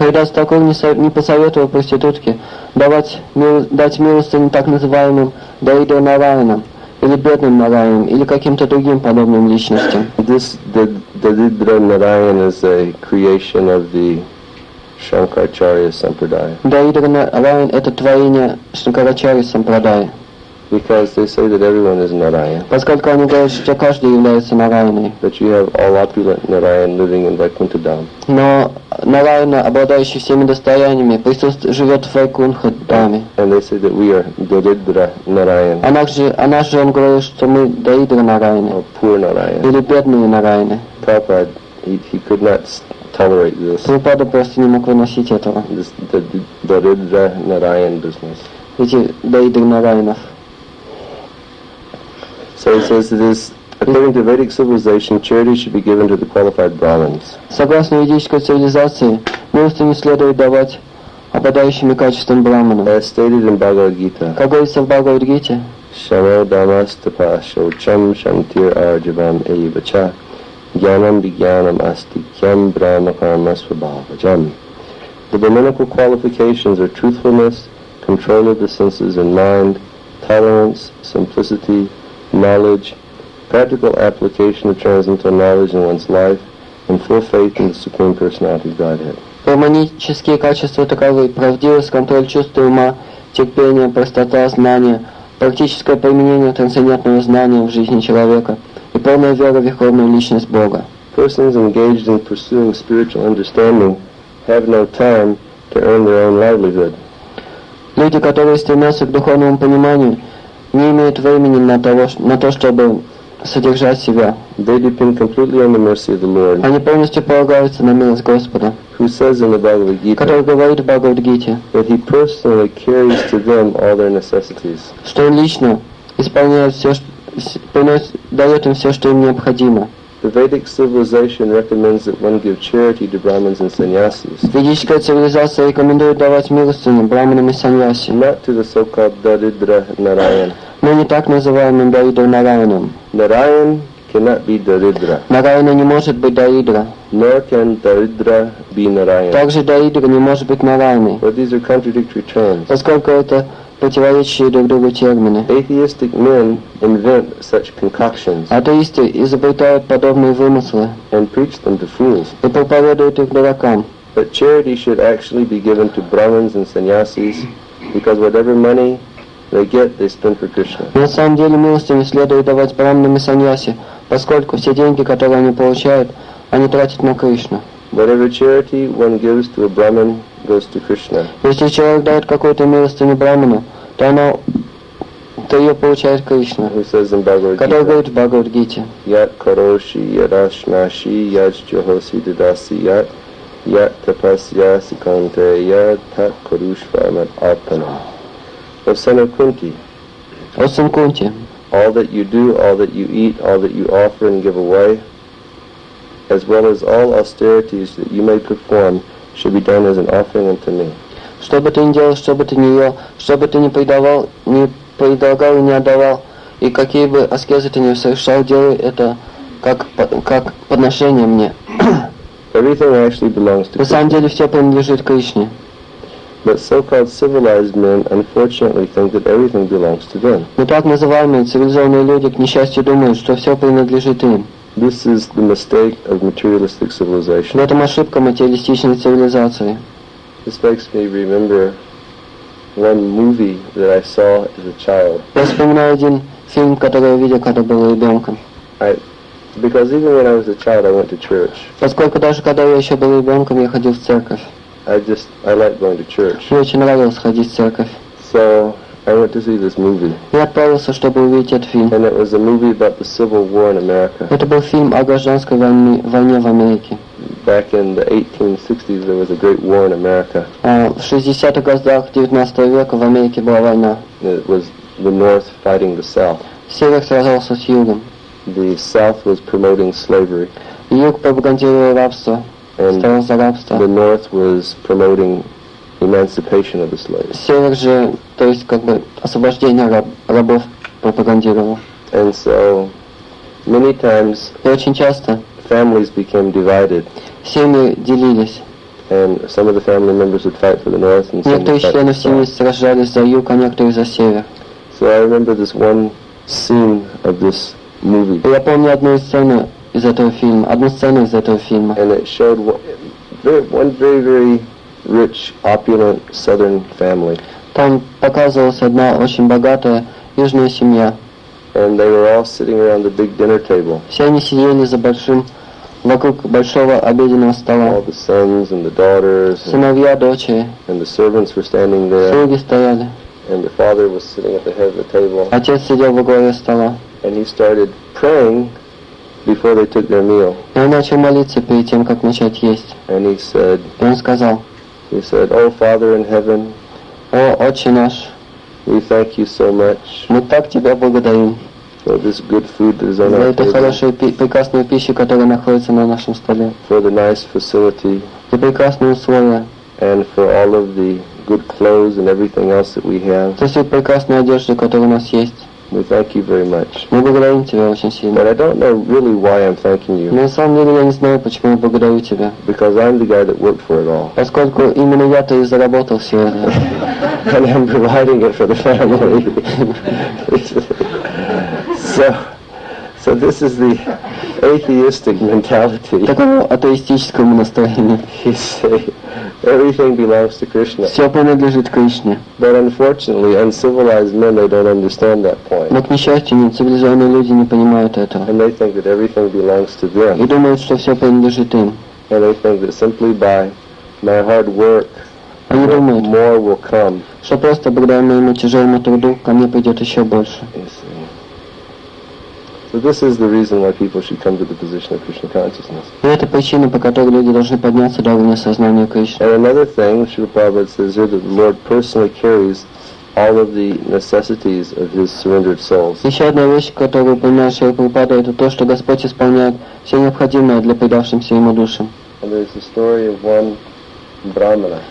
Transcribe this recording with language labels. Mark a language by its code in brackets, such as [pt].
[ru] Харидас Такура не посоветовал проститутке дать милостыню так называемым Даридра Нараянам, или бедным Нараяном, или каким-то другим подобным личностям. [en] This Даридра Нараян is a creation of the Shankaracharya Sampradaya. [ru] Даридра Нараян — это творение Шанкарачарья Сампрадая. [en] Because they say that everyone is Нараян. [ru] Поскольку они говорят, что каждый является Нараяной. [en] But you have all opulent Нараян living in Вайкунтха Дхам. [ru] Но Нараян, обладающий всеми достояниями, живет в Вайкунтха Дхаме. [en] And they say that we are Даридра Нараян. [ru] А наш же он говорит, что мы Даридра Нараяны. [en] Or poor Нараян. [ru] Или бедные Нараяны. [en] Prabhupada, he could not tolerate this. [ru] Прабхупада просто не мог выносить этого. [en] This Даридра Нараян business. [ru] Эти Даридра Нараянов. [en] So it says it is, according to Vedic civilization, charity should be given to the qualified Brahmins. [ru] Согласно ведической цивилизации, милостыню следует давать обладающими качеством Брахманам. [en] As stated in Bhagavad Gita. [ru] Как говорится в Бхагавад Гите. [sa] Шаро дамас тапа шоучам шантир арджавам эйвача гьянам бигьянам асти кьям брахма карма свабхавачам. [en] The brahminical qualifications are truthfulness, control of the senses and mind, tolerance, simplicity, knowledge, practical application of transcendental knowledge in one's life, and full faith in the Supreme Personality of Godhead. [ru] Брахманические качества таковы: правдивость, контроль чувств и ума, терпение, простота, знание, практическое применение трансцендентного знания в жизни человека и полная вера в Верховную Личность Бога. Persons engaged in pursuing spiritual understanding have no time to earn their own livelihood. Люди, которые стремятся к духовному пониманию, не имеют времени на то, чтобы содержать себя. [en] They depend completely on the mercy of the Lord. [ru] Они полностью полагаются на милость Господа. [en] Who says in the Bhagavad Gita? [ru] Который говорит в Бхагавад Гите. [en] That he personally carries to them all their necessities. [ru] Что он лично исполняет все, дает им все, что им необходимо. [en] The Vedic civilization recommends that one give charity to Brahmins and Sannyasis. [ru] Ведическая цивилизация рекомендует давать милостыню Брахманам и Саньяси. [en] Not to the so-called Даридра Нараян. [ru] Но не так называемым Даридра Нараяном. [en] Нараян cannot be Даридра. [ru] Нараяна не может быть Даридра. [en] Nor can Даридра be Нараян. [ru] Также Даридра не может быть Нараяной. [en] But these are contradictory terms. [ru] Поскольку это противоречащие друг другу термины. [en] Atheistic men invent such concoctions. [ru] Атеисты изобретают подобные вымыслы. [en] And preach them to fools. [ru] И проповедуют их дуракам. [en] But charity should actually be given to Brahmins and Sannyasis, because whatever money they get, they spend for Krishna. [ru] На самом деле милостыню следует давать Брахманам и Саньяси, поскольку все деньги, которые они получают, они тратят на Кришну. [en] Whatever charity one gives to a Brahmin goes to Krishna. [ru] Если человек дает какую-то милостыню Брахману, то она, то ее получает Кришна. [en] Who says in Bhagavad Gita? [ru] Который говорит в Бхагавад Гите. [sa] Yat karoshi yadashnashi yaj johosi didasi yat yat tapasya sikante yat tat karushva mat apana. [en] O son of Kunti. O son Kunti. All that you do, all that you eat, all that you offer and give away, as well as all austerities that you may perform, should be done as an offering unto me. [ru] Что бы ты ни делал, что бы ты ни ел, что бы ты ни предавал, ни предлагал и не отдавал, и какие бы аскезы ты ни совершал, делай это как подношение мне. [en] Everything actually belongs to Krishna. [ru] На самом деле все принадлежит Кришне. [en] But so-called civilized men unfortunately think that everything belongs to them. [ru] Но так называемые цивилизованные люди, к несчастью, думают, что все принадлежит им. [en] This is the mistake of materialistic civilization. [ru] Это ошибка материалистической цивилизации. [en] This makes me remember one movie that I saw as a child. [ru] Я вспоминаю один фильм, который я видел, когда был ребенком. [en] Because even when I was a child, I went to church. [ru] Поскольку даже когда я еще был ребенком, я ходил в церковь. [en] I like going to church. [ru] Мне очень нравилось ходить в церковь. [en] So I went to see this movie. [ru] Я отправился, чтобы увидеть этот фильм. [en] And it was a movie about the Civil War in America. [ru] Это был фильм о гражданской войне в Америке. [en] Back in the 1860s, there was a great war in America. [ru] В 60-х годах 19 века в Америке была война. [en] It was the North fighting the South. [ru] Север сражался с югом. [en] The South was promoting slavery. [ru] Юг пропагандировал рабство. [en] And [ru] за рабство. [en] The North was promoting emancipation of the slaves. [ru] Север же, то есть как бы освобождение рабов пропагандировал. [en] And so many times, [ru] и очень часто, [en] families became divided. [ru] Семьи делились. [en] And some of the family members would fight for the north, and some would fight for the south. [ru] Некоторые члены семьи сражались за юг, а некоторые за север. [en] So I remember this one scene of this movie. [ru] Я помню одну сцену из этого фильма. [en] And it showed one very, very rich, opulent southern family. [ru] Там показывалась одна очень богатая южная семья. [en] And they were all sitting around the big dinner table. [ru] Все они сидели за большим, вокруг большого обеденного стола. [en] All the sons and the daughters. [ru] Сыновья, дочери. [en] And the servants were standing there. [ru] Слуги стояли. [en] And the father was sitting at the head of the table. [ru] Отец сидел во главе стола. [en] And he started praying before they took their meal. [ru] И он начал молиться перед тем, как начать есть. [en] And he said. [ru] И он сказал. [en] He said, "O Father in heaven, [ru] О Отче наш, [en] we thank you so much. [ru] Мы так тебя благодарим. [en] For this good food that is on our table. [ru] За эту хорошую, прекрасную пищу, которая находится на нашем столе. [en] For the nice facility. [ru] За прекрасные условия. [en] And for all of the good clothes and everything else that we have. [ru] За всю прекрасную одежду, которая у нас есть. [en] We thank you very much. [ru] Мы благодарим тебя очень сильно. [en] But I don't know really why I'm thanking you. [ru] Но на самом деле я не знаю, почему я благодарю тебя. [en] Because I'm the guy that worked for it all. [ru] Поскольку именно я-то и заработал все это. [en] And I'm providing it for the family. So this is the atheistic mentality. [ru] Такого атеистического настроения. [en] He said, everything belongs to Krishna. [ru] Все принадлежит Кришне. [en] But unfortunately, uncivilized men, they don't understand that point. [ru] Но, к несчастью, нецивилизованные люди не понимают этого. [en] And they think that everything belongs to them. [ru] И думают, что все принадлежит им. [en] And they think that simply by my hard work, [ru] они думают, [en] more will come. [ru] Что просто благодаря моему тяжелому труду ко мне придет еще больше. [en] So this is the reason why people should come to the position of Krishna consciousness. [ru] Это причина, по которой люди должны подняться до уровня сознания Кришны. [en] And another thing, Srila Prabhupada says here, that the Lord personally carries all of the necessities of his surrendered souls. [ru] Еще одна вещь, которую упоминает Шрила Прабхупада, это то, что Господь исполняет все необходимое для предавшимся ему душам. [en] And there's the story of one brahmana.